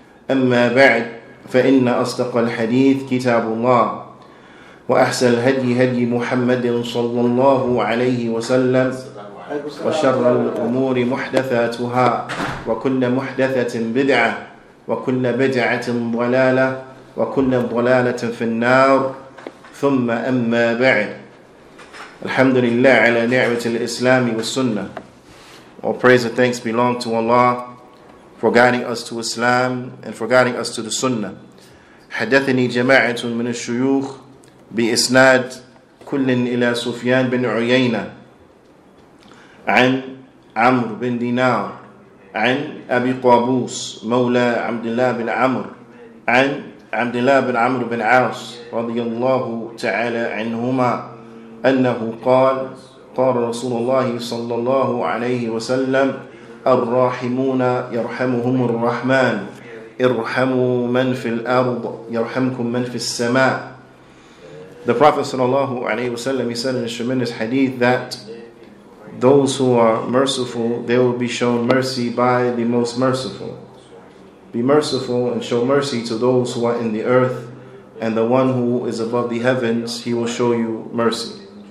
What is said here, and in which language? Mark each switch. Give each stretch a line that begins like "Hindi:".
Arabic: أما بعد فإن أصدق الحديث كتاب الله وأحسن الهدي هدي محمد صلى الله عليه وسلم وشر الأمور محدثاتها وكل محدثة بدعة وكل بدعة ضلالة وكل ضلالة في النار ثم أما بعد الحمد لله على نعمة الإسلام والسنة.
English: All praise and thanks belong to Allah for guiding us to Islam and for guiding us to the Sunnah.
Arabic: حدثني جماعة من الشيوخ بإسناد كل إلى سفيان بن عيينة عن عمرو بن دينار عن أبي قابوس مولى عبد الله بن عمرو عن عبد الله بن عمرو بن عاص رضي الله تعالى عنهما أنه قال قال رسول الله صلى الله عليه وسلم الراحمون يرحمهم الرحمن ارحموا من في الأرض يرحمكم من في السماء.
English: The Prophet sallallahu alayhi wasallam, he said in a tremendous hadith that those who are merciful, they will be shown mercy by the most merciful. Be merciful and show mercy to those who are in the earth, and the one who is above the heavens, he will show you mercy.